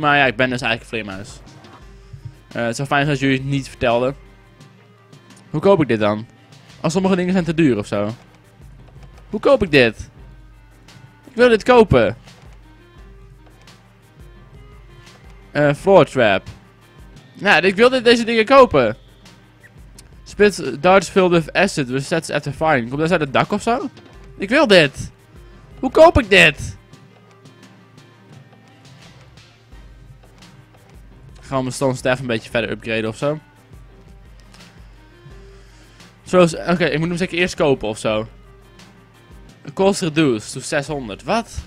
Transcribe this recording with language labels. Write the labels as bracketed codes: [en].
[nl] Maar ja, ik ben dus eigenlijk een vleermuis. Het zou fijn zijn als jullie het niet vertelden. Hoe koop ik dit dan? Als sommige dingen zijn te duur of zo. Hoe koop ik dit? Ik wil dit kopen. Floor trap. Nou, ik wilde deze dingen kopen. [en] Spits darts filled with acid resets after firing. [nl] Komt dat uit het dak of zo? Ik wil dit. Hoe koop ik dit? Gaan we stone staff een beetje verder upgraden of zo? Zoals, oké, ik moet hem zeker eerst kopen of zo. [en] Cost reduced to 600. [nl] Wat?